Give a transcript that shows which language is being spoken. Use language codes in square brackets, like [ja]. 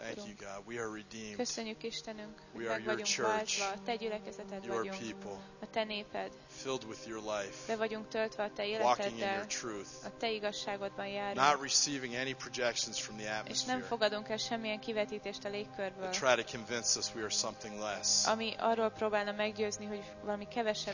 [en] Thank you, God. We are redeemed. [hu] Köszönjük, Istenünk, [en] we are your church. [hu] Te gyülekezeted [en] your [hu] vagyunk. [en] People. [hu] A te néped. [en] Filled with your life. [hu] Be vagyunk töltve a te életeddel. [en] Walking in your truth. [hu] A te igazságodban járunk. [en] Not receiving any projections from the atmosphere. [hu] És nem fogadunk el semmilyen kivetítést a légkörből. [en] They try to convince us we are something less. [hu] Ami arról próbálna meggyőzni, hogy valami kevesebb